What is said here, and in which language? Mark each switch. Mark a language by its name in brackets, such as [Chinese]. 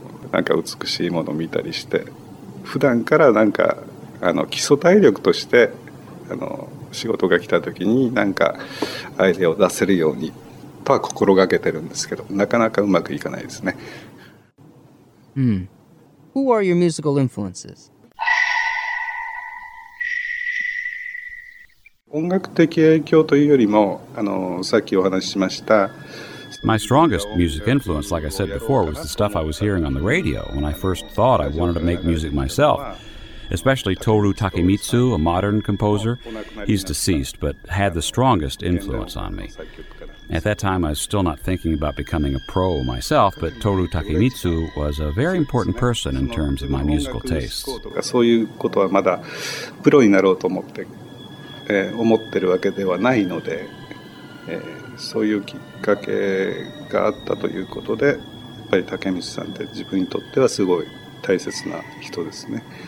[Japanese] なんか美しいものを見たりして普段からなんか基礎体力として仕事が来た時になんかアイデアを出せるようにとは心がけてるんですけどなかなかうまくいかないですね。 [English] Who are your musical influences? [Japanese] 音楽的影響というよりもさっきお話ししました [English] My strongest music influence, like I said before, was the stuff I was hearing on the radio when I first thought I wanted to make music myself. Especially Toru Takemitsu, a modern composer. He's deceased, but had the strongest influence on me. At that time, I was still not thinking about becoming a pro myself, but Toru Takemitsu was a very important person in terms of my musical tastes. [Japanese] そういうことはまだプロになろうと思ってるわけではないので、そういうきっかけがあったということでやっぱり竹光さんって自分にとってはすごい大切な人ですね。